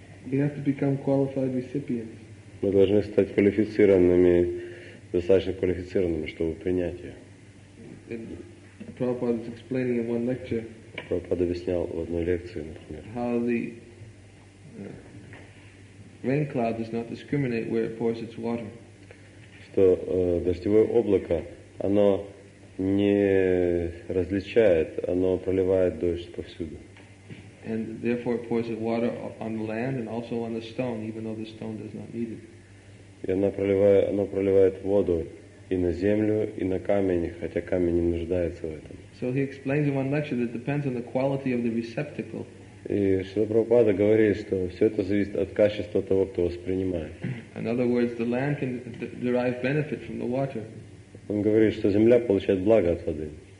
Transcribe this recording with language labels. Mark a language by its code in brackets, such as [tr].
[en] We have to become qualified recipients. [ru] Мы должны стать квалифицированными, достаточно квалифицированными, чтобы принять ее. [en] Prabhupada is explaining in one lecture. [ru] Prabhupada объяснял в одной лекции, например. [en] How the rain cloud does not discriminate where it pours its water. [ru] Что дождевое облако, оно не различает, оно проливает дождь повсюду. [en] And therefore it pours its water on the land and also on the stone, even though the stone does not need it. [ru] И оно проливает воду и на землю, и на камень, хотя камень не нуждается в этом. [en] So he explains in one lecture that it depends on the quality of the receptacle. [ru] И Шрила Прабхупада говорит, что все это зависит от качества того, кто воспринимает. [en] In other words, the land can derive benefit from the water. [ru] Он говорит, что земля получает благо от воды.